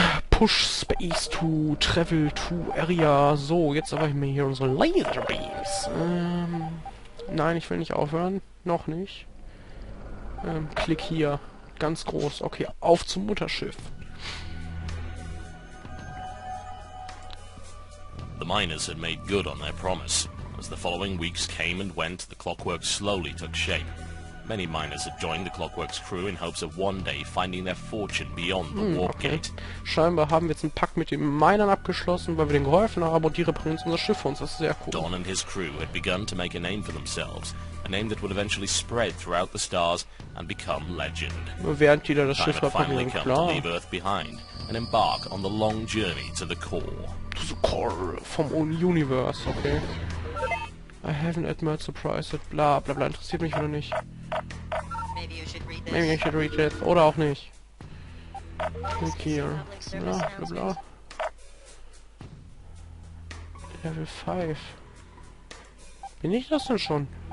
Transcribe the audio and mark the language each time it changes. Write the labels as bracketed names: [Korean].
[English] Push space to travel to area. [German] So, jetzt aber ich mir hier unsere Laser Beams. Nein, ich will nicht aufhören. Noch nicht. Klick hier. Ganz groß. Okay, auf zum Mutterschiff. [English] The miners had made good on their promise. As the following weeks came and went, the clockwork slowly took shape. Many miners had joined the clockwork's crew in hopes of one day finding their fortune beyond the warp gate. [German] Scheinbar haben wir jetzt einen Pakt mit den Minern abgeschlossen, weil wir denen geholfen haben und die reparieren unser Schiff für uns. Das ist sehr cool. [English] Don and his crew had begun to make a name for themselves, a name that would eventually spread throughout the stars and become legend. [German] Während die da das Schiff reparieren, klar. [English] Time had finally come to leave Earth behind and embark on the long journey to the core. To the core vom Universe, okay. I haven't admired surprised it. [German] Bla bla bla, interessiert mich wieder nicht. [English] Maybe I should read it. [German] Oder auch nicht. [English] Click here. Bla bla bla. [German] Level 5. Bin ich das denn schon?